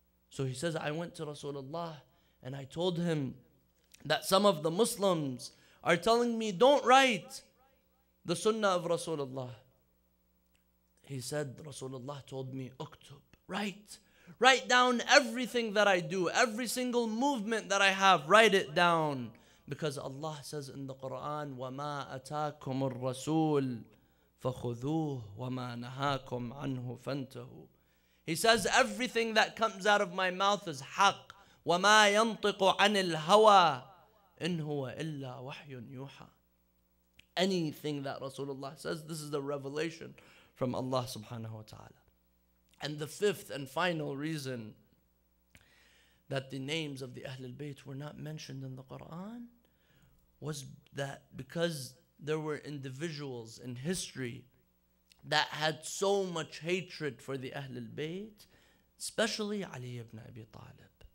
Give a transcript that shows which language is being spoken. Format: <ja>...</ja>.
<en>So he says, I went to Rasulullah and I told him that some of the Muslims are telling me, don't write the sunnah of Rasulullah. He said, Rasulullah told me, uktub, write. Write down everything that I do, every single movement that I have, write it down. Because Allah says in the Quran,</en> <ar>وَمَا أَتَاكُمُ الرَّسُولُ فَخُذُوهُ وَمَا نَهَاكُمْ عَنْهُ فَانْتَهُ.</ar> <en>He says, everything that comes out of my mouth is haq.</en> <ar>وَمَا يَنْطِقُ عَنِ الْهَوَى إِنْ هُوَ إِلَّا وَحْيٌ يُوحَى.</ar> <en>Anything that Rasulullah says, this is a revelation from Allah subhanahu wa ta'ala. And the fifth and final reason that the names of the Ahlul Bayt were not mentioned in the Quran was that because there were individuals in history that had so much hatred for the Ahlul Bayt, especially Ali ibn Abi Talib.</en>